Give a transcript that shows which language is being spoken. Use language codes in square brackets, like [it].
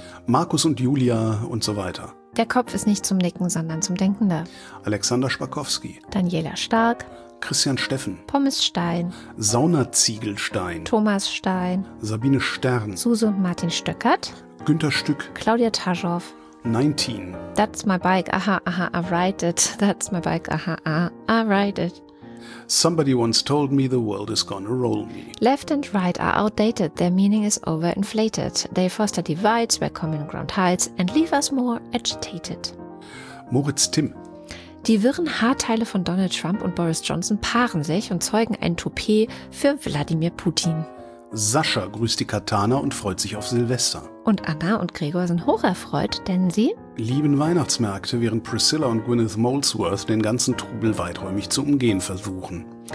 [de] Markus und Julia und so weiter. Der Kopf ist nicht zum Nicken, sondern zum Denken da. Alexander Spakowski. Daniela Stark. Christian Steffen. Pommes Stein. Saunaziegelstein. Thomas Stein. Sabine Stern. Suse und Martin Stöckert. Günter Stück. Claudia Taschow. 19. [en] That's my bike, aha, aha, I ride it. That's my bike, aha, aha, I ride it. Somebody once told me the world is gonna roll me. Left and right are outdated, their meaning is overinflated. They foster divides where common ground hides and leave us more agitated. [de] Moritz Timm. Die wirren Haarteile von Donald Trump und Boris Johnson paaren sich und zeugen ein Toupet für Wladimir Putin. Sascha grüßt die Katana und freut sich auf Silvester. Und Anna und Gregor sind hocherfreut, denn sie lieben Weihnachtsmärkte, während Priscilla und Gwyneth Molesworth den ganzen Trubel weiträumig zu umgehen versuchen.